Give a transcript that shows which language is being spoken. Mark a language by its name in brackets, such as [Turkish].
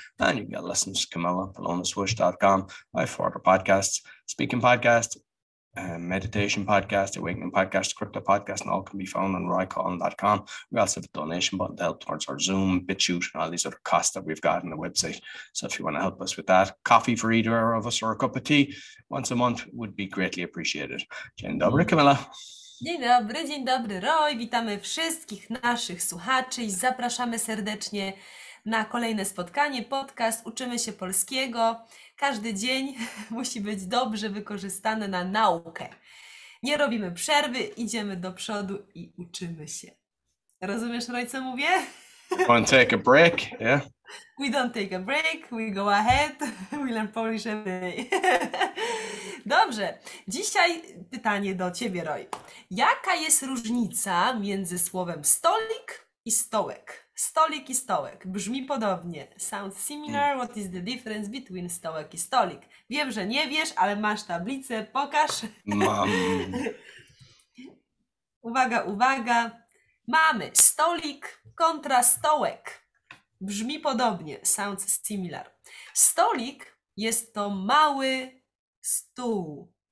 [English] And you can get listens to Camilla, PolonaSwish.com, my four podcasts, speaking podcast, meditation podcast, awakening podcast, crypto podcast, and all can be found on roycolin.com. We also have a donation button to help towards our Zoom, BitChute, and all these other costs that we've got on the website. So if you want to help us with that, coffee for either of us or a cup of tea once a month would be greatly appreciated. [Polish] Dzień dobry, Camilla. Dzień dobry, Roy. Witamy wszystkich naszych słuchaczy i zapraszamy serdecznie na kolejne spotkanie, podcast Uczymy się polskiego. Każdy dzień musi być dobrze wykorzystany na naukę. Nie robimy przerwy, idziemy do przodu i uczymy się. Rozumiesz, Roy, co mówię? [English] We don't take a break, yeah? We don't take a break, we go ahead, we learn Polish every day. [Polish] Dobrze, dzisiaj pytanie do ciebie, Roy. Jaka jest różnica między słowem stolik i stołek? Stolik i stołek. Brzmi podobnie. [English] Sounds similar. What is the difference between [Polish] stołek i stolik? Wiem, że nie wiesz, ale masz tablicę. Pokaż. Mam. Uwaga, uwaga. Mamy stolik kontra stołek. Brzmi podobnie. [English] Sounds similar. [Polish] Stolik jest to mały stół.